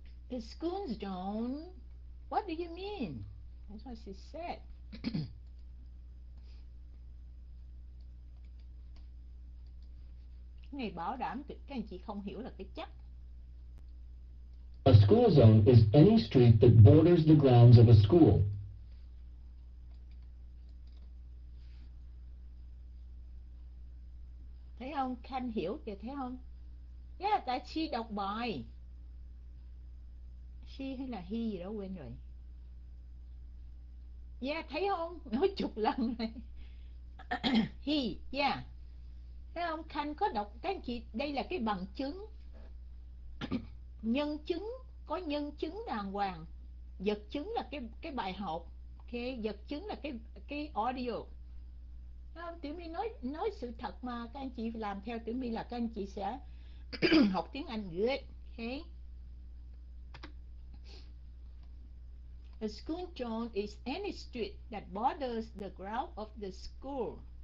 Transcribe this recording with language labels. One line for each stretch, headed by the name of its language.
English: The school zone? What do you mean? That's what she said.
Vietnamese: Ngày bảo đảm các anh chị không hiểu là cái chắc.
English: A school zone is any street that borders the grounds of a school.
Vietnamese: Thấy không? Khanh hiểu kìa, thấy không? Yeah, tại she đọc bài. She hay là he gì đó quên rồi. Yeah, thấy không? Nói chục lần này. He, yeah. Thấy không? Khanh có đọc, các anh chị, đây là cái bằng chứng. Nhân chứng, có nhân chứng đàng hoàng. Vật chứng là cái bài học. Okay? Vật chứng là cái audio. Thấy không? Tiểu My nói sự thật mà các anh chị làm theo Tiểu My là các anh chị sẽ học tiếng Anh good. Okay?
English: The school zone is any street that borders the ground of the school.